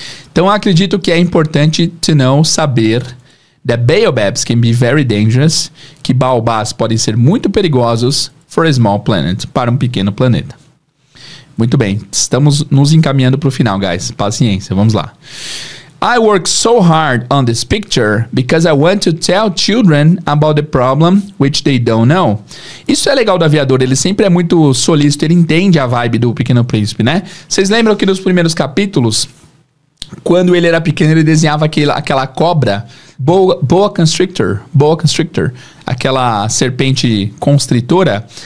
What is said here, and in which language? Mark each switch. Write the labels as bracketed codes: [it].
[pt] Então, eu acredito que é importante [en] to know, [pt] saber, [en] that baobabs can be very dangerous, [pt] que baobás podem ser muito perigosos [en] for a small planet, [pt] para um pequeno planeta. Muito bem, estamos nos encaminhando para o final, guys. Paciência, vamos lá. [en] I worked so hard on this picture because I want to tell children about the problem which they don't know. [pt] Isso é legal do aviador, ele sempre é muito solícito, ele entende a vibe do Pequeno Príncipe, né? Vocês lembram que nos primeiros capítulos, quando ele era pequeno, ele desenhava aquela cobra, boa constrictor, aquela serpente constritora.